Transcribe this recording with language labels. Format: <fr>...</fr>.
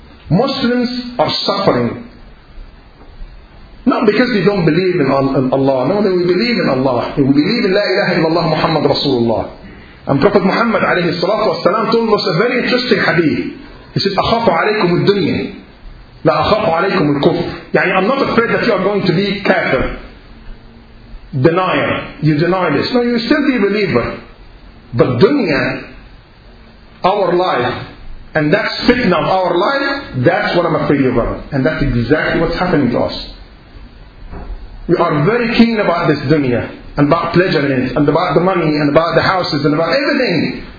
<en>Muslims are suffering. Not because we don't believe in Allah. No, we believe in Allah. We believe in La ilaha illallah Muhammad Rasulullah. And Prophet Muhammad alayhi salatu wasalam told us a very interesting hadith. He said,</en> <ar>أَخَافُ عَلَيْكُمُ الدُّنْيَا لَا أَخَافُ عَلَيْكُمُ الْكُفْرِ.</ar> <en>Yani, I'm not afraid that you are going to be kafir. Denier. You deny this. No, you still be a believer. But dunya, our life, and that fitna of our life, that's what I'm afraid of. And that's exactly what's happening to us. We are very keen about this dunya, and about pleasure in it, and about the money, and about the houses, and about everything.</en>